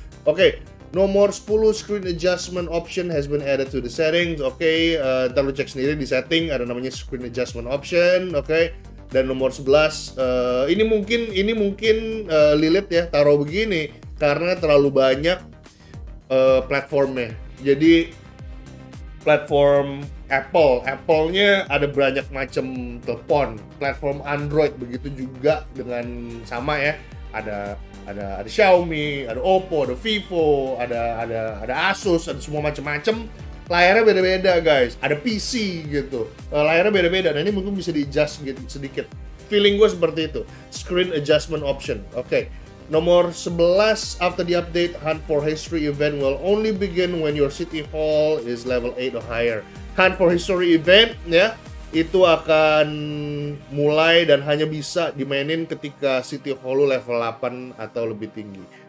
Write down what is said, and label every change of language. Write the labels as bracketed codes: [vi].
[en] Oke, okay, no more 10 screen adjustment option has been added to the settings. [id] Oke, okay, ntar lu cek sendiri di setting ada namanya screen adjustment option. Oke, okay. Dan nomor 11 ini mungkin lilit ya taruh begini karena terlalu banyak platformnya. Jadi platform Apple-nya ada banyak macam telepon. Platform Android begitu juga dengan sama ya. Ada Xiaomi, ada Oppo, ada Vivo, ada Asus, ada semua macam-macam. Layarnya beda-beda guys, ada PC gitu, layarnya beda-beda. Nah ini mungkin bisa di adjust gitu, sedikit. Feeling gue seperti itu, screen adjustment option. Oke, okay. [en] Nomor 11, after the update, Hunt for History event will only begin when your city hall is level 8 or higher. [id] Hunt for History event ya, itu akan mulai dan hanya bisa dimainin ketika city hall level 8 atau lebih tinggi.